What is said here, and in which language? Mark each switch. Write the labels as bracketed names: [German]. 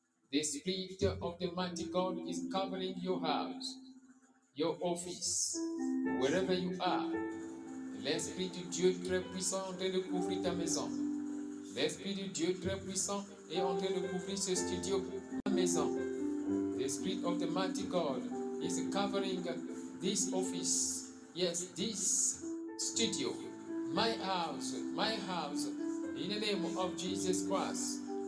[English] The Spirit of the mighty God is covering your house, your office, wherever you are. [French] L'Esprit de Dieu très puissant est en train de couvrir ta maison. L'Esprit de Dieu très puissant est en train de couvrir ce studio, ta maison. [English] The Spirit of the mighty God is covering this office. Yes, this studio. My house, in the name of Jesus Christ.